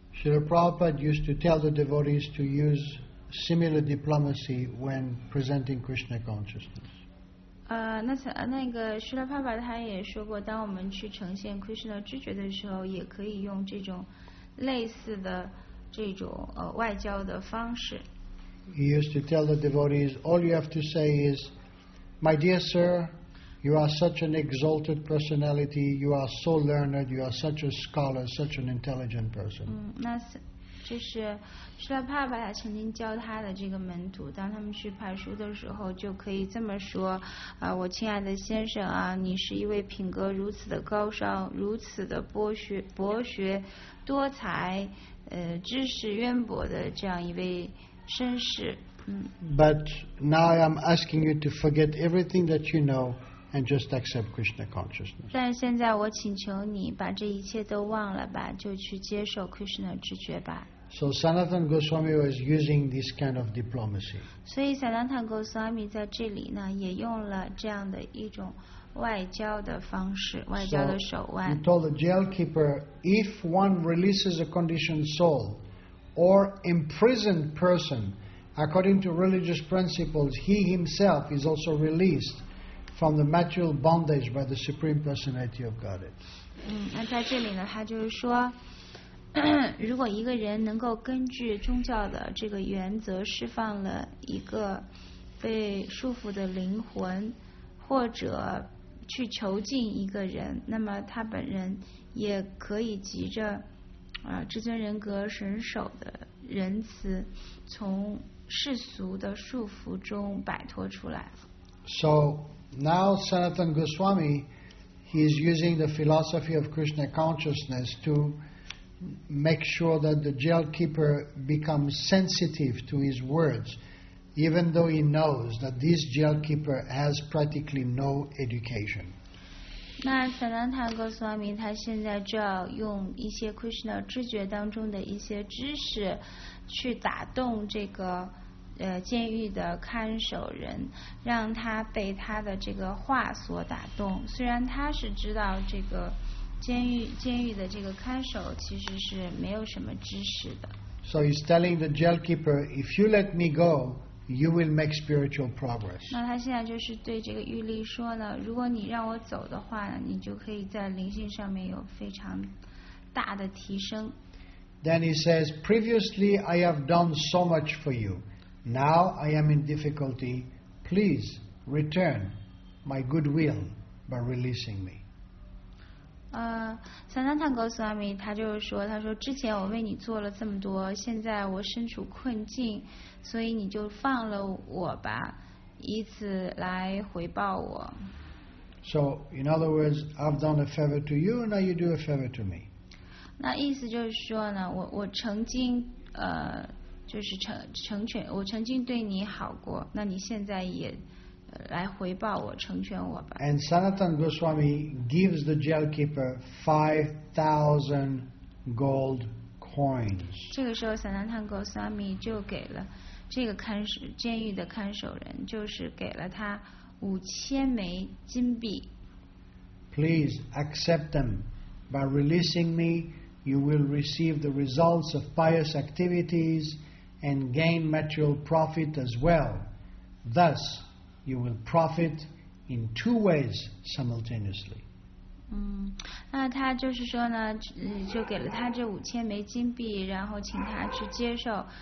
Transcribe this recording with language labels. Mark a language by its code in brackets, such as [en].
[en] Srila Prabhupada used to tell the devotees to use similar diplomacy when presenting Krishna consciousness. [zh] 那个须拉帕帕他也说过，当我们去呈现 Krishna 知觉的时候，也可以用这种类似的这种外交的方式。 [en] He used to tell the devotees, all you have to say is, my dear sir, you are such an exalted personality, you are so learned, you are such a scholar, such an intelligent person. [zh] 那是就是须拉帕帕他曾经教他的这个门徒，当他们去派书的时候，就可以这么说：“我亲爱的先生啊，你是一位品格如此的高尚，如此的博学、多才、知识渊博的这样一位绅士。” [en] But now I'm asking you to forget everything that you know and just accept Krishna consciousness. [zh] 但现在我请求你把这一切都忘了吧，就去接受 Krishna 知觉吧。 [en] So Sanatan Goswami was using this kind of diplomacy. [zh] 所以 Sanatan Goswami 在这里呢也用了这样的一种外交的方式，外交的手腕。 [en] So he told the jail keeper, if one releases a conditioned soul or imprisoned person, according to religious principles, he himself is also released from the material bondage by the Supreme Personality of Godhead. [zh] 那在这里呢他就是说如果一个人能够根据宗教的这个原则释放了一个被束缚的灵魂，或者去囚禁一个人，那么他本人也可以急着至尊人格神守的仁慈从世俗的束缚中摆脱出来。 [en] So now Sanatan Goswami, he is using the philosophy of Krishna consciousness toMake sure that the jail keeper becomes sensitive to his words, even though he knows that this jail keeper has practically no education. [zh] 那萨南坦格苏阿米他现在就要用一些 Krishna 知觉当中的一些知识去打动这个监狱的看守人，让他被他的这个话所打动。虽然他是知道这个监狱的这个看守其实是没有什么知识的。 [en] So he's telling the jail keeper, if you let me go, you will make spiritual progress. [zh] 那他现在就是对这个狱吏说了，如果你让我走的话，你就可以在灵性上面有非常大的提升。 [en] Then he says, previously I have done so much for you. Now I am in difficulty. Please return my goodwill by releasing me. [zh] Sanatana Goswami, 他就说，他说之前我为你做了这么多，现在我身处困境，所以你就放了我吧，以此来回报我。 [en] So, in other words, I've done a favor to you, now you do a favor to me. [zh] 那意思就是说呢，我曾经就是成全我曾经对你好过，那你现在也来回报我，成全我吧。 [en] And Sanatana Goswami gives the jail keeper 5,000 gold coins. [zh] 这个时候 ，Sanatana Goswami 就给了这个看守监狱的看守人，就是给了他5,000枚金币。 [en] Please accept them. By releasing me, you will receive the results of pious activities and gain material profit as well. Thus, you will profit in two ways simultaneously. [zh] 嗯，那他就是说呢，就给了他这五千枚金币，然后请他去接受。